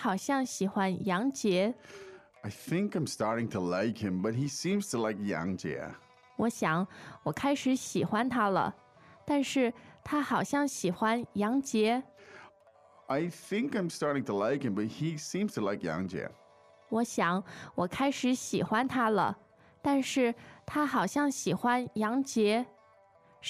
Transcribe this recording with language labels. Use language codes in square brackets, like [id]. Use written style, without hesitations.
[zh] 他真会享受,不像班里的其他男生,他们都很土。我想我开始喜欢他了,但是他好像喜欢杨杰。I [en] think I'm starting to like him, but he seems to like Yang Jie. [zh] 我想我开始喜欢他了,但是他好像喜欢杨杰。I